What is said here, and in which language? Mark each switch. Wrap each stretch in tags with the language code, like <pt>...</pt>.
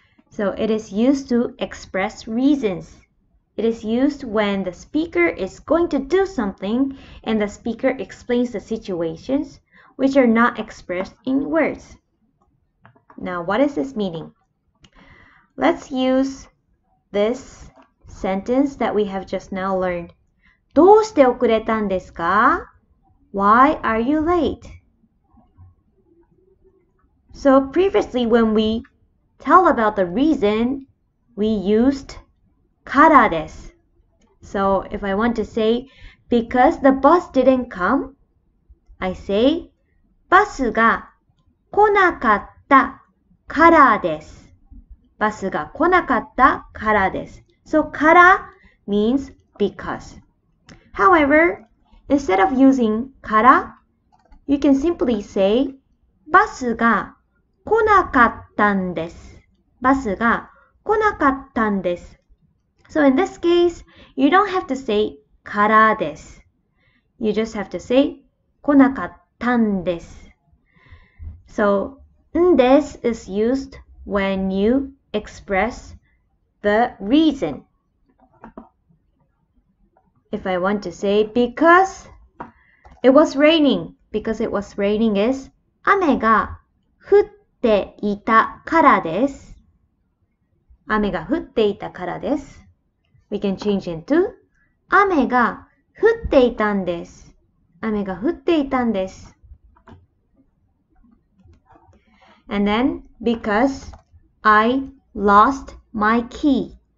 <en>So it is used to express reasons. It is used when the speaker is going to do something and the speaker explains the situations which are not expressed in words. Now, what is this meaning? Let's use this sentence that we have just now learned.</en> <ja>どうして遅れたんですか?</ja> <en>Why are you late? So previously, when we tell about the reason, we used からです。 So if I want to say, because the bus didn't come, I say, バスが来なかったからです。</en> <ja>バスが来なかったからです。</ja> <en>So から means because. However, instead of using から、you can simply say バスが来なかったんです。</en> <ja>バスが来なかったんです。</ja> <en>So in this case, you don't have to say からです。 You just have to say 来なかったんです。 So んです is used when you express the reason. If I want to say because it was raining, because it was raining is 雨が降っていたからです。</en> <ja>雨が降っていたからです。</ja> <en>We can change into 雨が降っていたんです。</en> <ja>雨が降っていたんです。</ja> <en>And then because I lost my key.</en>